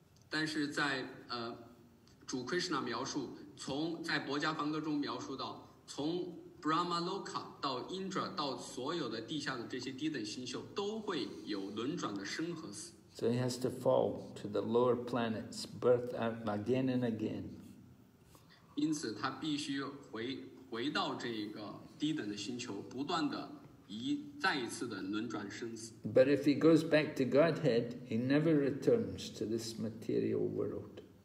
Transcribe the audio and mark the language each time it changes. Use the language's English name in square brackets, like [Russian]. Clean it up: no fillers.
[Chinese] 但是在主 Krishna描述, 从在博伽梵歌中描述到, 从 Brahmaloka 到 Indra 到所有的地下的这些低等星宿都会有轮转的生和死。 [English] So he has to fall to the lower planets, birth again and again. [Chinese] 因此他必须回到这个低等的星球，不断的再一次的轮转生死。 [English] But if he goes back to Godhead, he never returns to this material world.